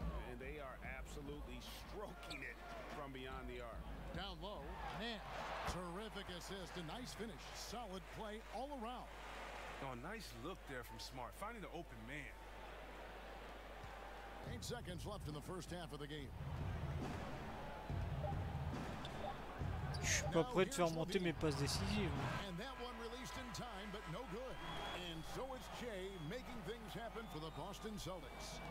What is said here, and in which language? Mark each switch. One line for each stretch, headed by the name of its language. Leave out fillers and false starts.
English: And they are absolutely stroking it from beyond the arc. Down low, Nash. Terrific assist, a nice finish. Solid play all around. Oh, nice look there from Smart, finding the open man. 8 seconds left in the first half of the game.
French: Je suis pas prêt de faire monter mes passes décisives.
English: And that one released in time, but no good. And so is Jay making things happen for the Boston Celtics.